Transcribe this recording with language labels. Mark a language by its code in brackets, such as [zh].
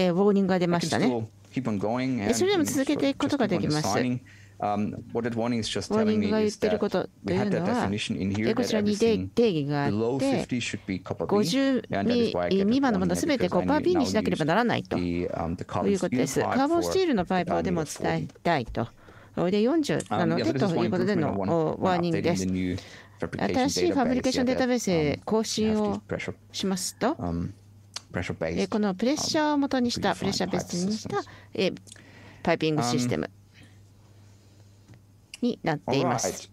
[ja] ウォーニングが出ましたね。 [en] Keep on going and [ja] それでも続けていくことができます。 [en] What that warning is just telling me is that we had that definition in here that everything below 50 should be copper B. [ja] 50未満のものすべてコッパー B にしなければならないということです。カーボンスチールのパイプをでも伝えたいと。これで40なのでということでのワーニングです。新しいファブリケーションデータベースへ更新をしますと、このプレッシャーをもとにした、プレッシャーベースにしたパイピングシステムになっています。